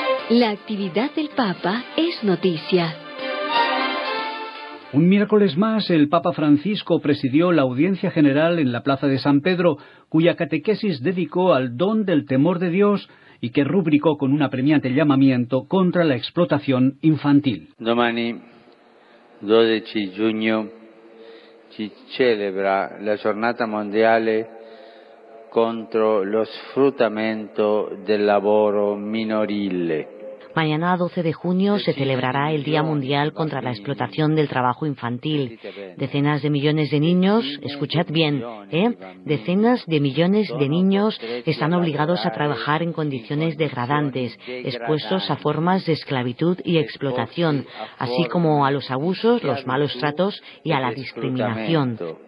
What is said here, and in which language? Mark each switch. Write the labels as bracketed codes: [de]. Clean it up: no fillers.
[es] La actividad del Papa es noticia. Un miércoles más, el Papa Francisco presidió la Audiencia General en la Plaza de San Pedro, cuya catequesis dedicó al don del temor de Dios y que rubricó con un apremiante llamamiento contra la explotación infantil. [it] Domani, 12 giugno, si celebra la Giornata Mondiale contro lo sfruttamento del lavoro minorile. [es] Mañana 12 de junio se celebrará el Día Mundial contra la Explotación del Trabajo Infantil. Decenas de millones de niños, escuchad bien, decenas de millones de niños están obligados a trabajar en condiciones degradantes, expuestos a formas de esclavitud y explotación, así como a los abusos, los malos tratos y a la discriminación.